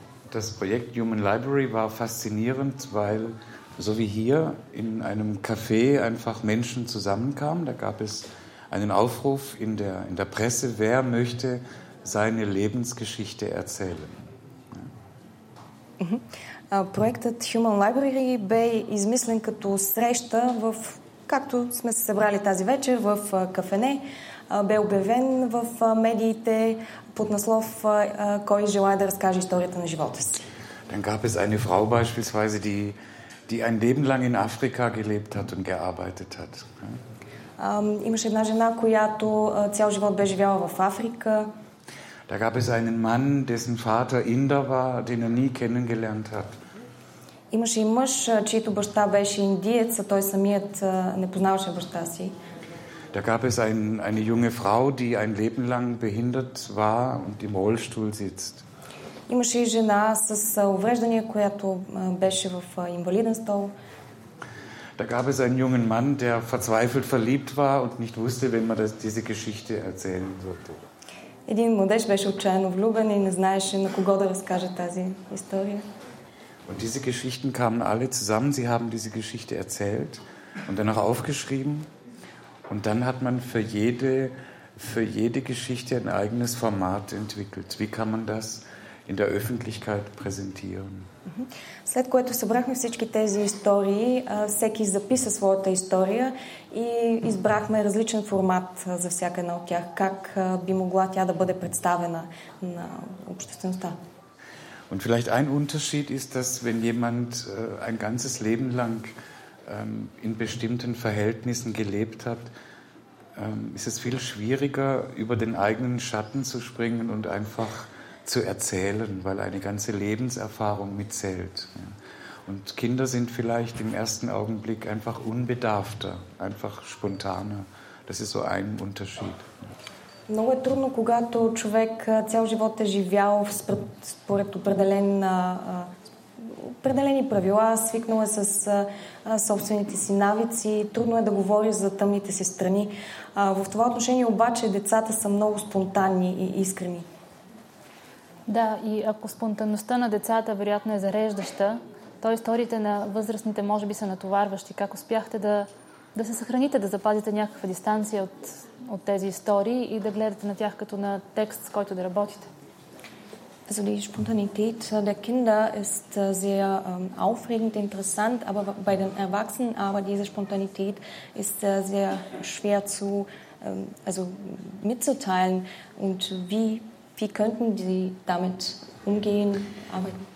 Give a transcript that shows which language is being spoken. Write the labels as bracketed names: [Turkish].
[German] Das Projekt Human Library war faszinierend, weil so wie hier in einem Café einfach Menschen zusammenkamen. Da gab es einen Aufruf in der Presse, wer möchte seine Lebensgeschichte erzählen. [Bulgarian] Projekt Human Library bei измислен като среща в както сме се събрали тази вечер в кафене. Бе обявен в медиите под наслов «Кой желая да разкаже историята на живота си». [German] Dann gab es eine Frau beispielsweise, die ein Leben lang in Afrika gelebt hat und gearbeitet hat. [Bulgarian] Имаше една жена, която цял живот бе живяла в Африка. [German] Da gab es einen Mann, dessen Vater Inder war, den er nie kennengelernt hat. [Bulgarian] Имаше и мъж, чието баща беше индиец, а той самият не познаваше баща си. [German] Da gab es eine junge Frau, die ein Leben lang behindert war und im Rollstuhl sitzt. [Bulgarian] Имаше жена с увреждания, която беше в инвалиден стол. [German] Da gab es einen jungen Mann, der verzweifelt verliebt war und nicht wusste, wem man diese Geschichte erzählen sollte. [Bulgarian] Един младеж беше отчаяно влюбен и не знаеше на кого да разкаже тази история. [German] Und diese Geschichten kamen alle zusammen, sie haben diese Geschichte erzählt und danach aufgeschrieben. Und dann hat man für jede Geschichte ein eigenes Format entwickelt. Wie kann man das in der Öffentlichkeit präsentieren? [Bulgarian] След което събрахме всички тези истории, всеки записа своята история и избрахме различен формат за всяка една от тях. Как би могла тя да бъде представена на обществеността? [German] Und vielleicht ein Unterschied ist, dass wenn jemand ein ganzes Leben lang in bestimmten Verhältnissen gelebt hat, ist es viel schwieriger, über den eigenen Schatten zu springen und einfach zu erzählen, weil eine ganze Lebenserfahrung mitzählt. Und Kinder sind vielleicht im ersten Augenblick einfach unbedarfter, einfach spontaner. Das ist so ein Unterschied. [Bulgarian] Много е трудно, когато човек цял живот е живял според определени правила, свикнал е с собствените си навици, трудно е да говори за тъмните си страни. В това отношение обаче децата са много спонтанни и искрени. Да, и ако спонтанността на децата вероятно е зареждаща, то историите на възрастните може би са натоварващи. Как успяхте да се съхраните, да запазите някаква дистанция от тези истории и да гледате на тях като на текст, с който да работите. [German] Also die Spontanität der Kinder ist sehr aufregend, interessant, aber bei den Erwachsenen, aber diese Spontanität ist sehr schwer zu also mitzuteilen und wie könnten sie damit umgehen, arbeiten?